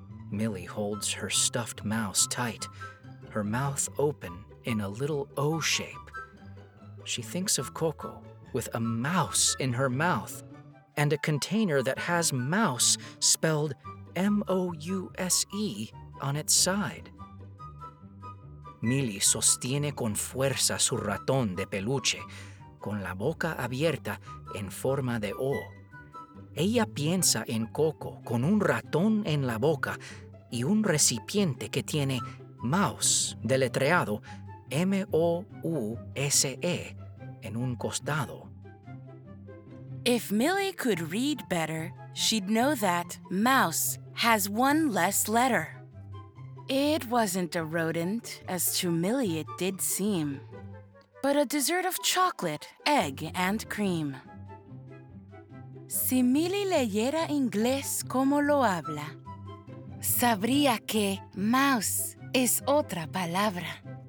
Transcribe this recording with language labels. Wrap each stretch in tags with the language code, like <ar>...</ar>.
<en>Millie holds her stuffed mouse tight, her mouth open in a little O shape. She thinks of Coco with a mouse in her mouth and a container that has mouse spelled M-O-U-S-E on its side.</en> <es>Millie sostiene con fuerza su ratón de peluche, con la boca abierta en forma de O. Ella piensa en Coco con un ratón en la boca y un recipiente que tiene mouse deletreado M-O-U-S-E en un costado.</es> <en>If Millie could read better, she'd know that mouse has one less letter. It wasn't a rodent, as to Millie it did seem, but a dessert of chocolate, egg, and cream.</en> <es>Si Millie leyera inglés como lo habla, sabría que mouse es otra palabra.</es>